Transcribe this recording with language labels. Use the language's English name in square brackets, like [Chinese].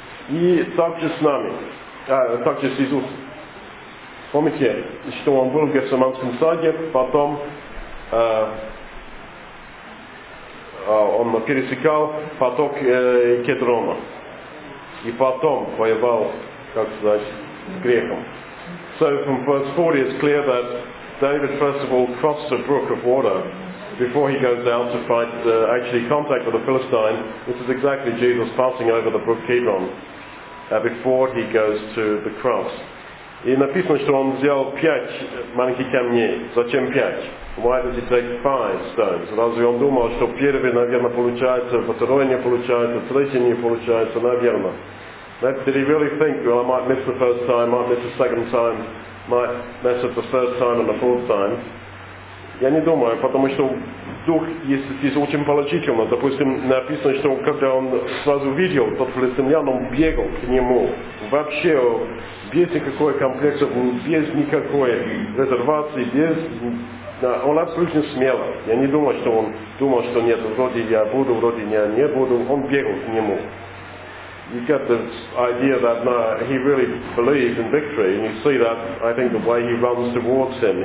[Russian] И также с нами, также с Иисусом. Помните, что он был в Гефсиманском саде, потом он пересекал поток Кедрона. И потом воевал, как сказать, с грехом. [English] So from verse 40 it's clear that David first of all crossed a brook of water before he goes out to fight actually contact with the Philistine. This is exactly Jesus passing over the brook Kidron before he goes to the cross. [Russian] И написано, что он взял пять маленьких камней. Зачем пять? [English] Why does he take five stones? [Russian] Разве он думал, что первый, наверное, получается, второй не получается, третий не получается, наверное? [English] Did he really think, well, I might miss the first time, might miss the second time, might mess up the first time and the fourth time? [Russian] Я не думаю, потому что дух здесь очень положительно. Допустим, написано, что когда он сразу видел тот филистимлян, он бегал к нему. Вообще, без никакой комплекса, без никакой резервации, без... Да, он абсолютно смело. Я не думал, что он думал, что нет, вроде я буду, вроде я не буду. Он бегал к нему. [English] You get the idea that no, he really believes in victory, and you see that, I think, the way he runs towards him.